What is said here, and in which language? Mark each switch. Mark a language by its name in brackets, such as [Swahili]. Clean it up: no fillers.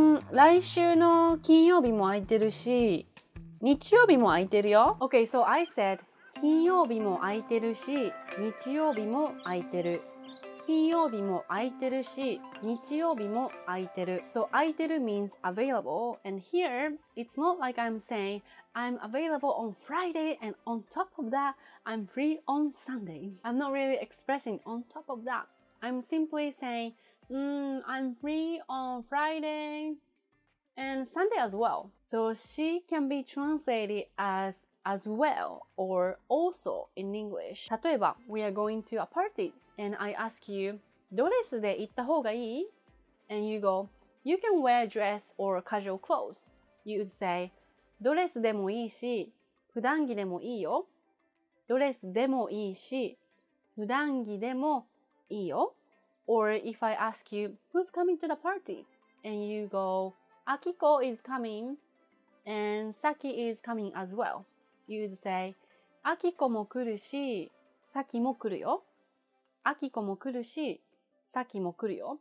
[Japanese] 来週の金曜日も空いてるし、日曜日も空いてるよ。 [English] Okay, so I said, [Japanese] 金曜日も空いてるし、日曜日も空いてる。金曜日も空いてるし、日曜日も空いてる。 [English] So, 空いてる means available. And here, it's not like I'm saying, I'm available on Friday and on top of that, I'm free on Sunday. I'm not really expressing on top of that. I'm simply saying, I'm free on Friday and Sunday as well. So, she can be translated as well or also in English. [Japanese] 例えば、 [English] We are going to a party and I ask you, [Japanese] ドレスで行った方がいい? [English] And you go, you can wear dress or casual clothes. You would say, [Japanese] ドレスでもいいし、普段着でもいいよ。ドレスでもいいし、普段着でもいいよ。 [English] Or if I ask you, who's coming to the party? And you go, Akiko is coming. And Saki is coming as well. You would say, [Japanese] Akiko も来るし、Saki も来るよ。 Akiko も来るし、Saki も来るよ。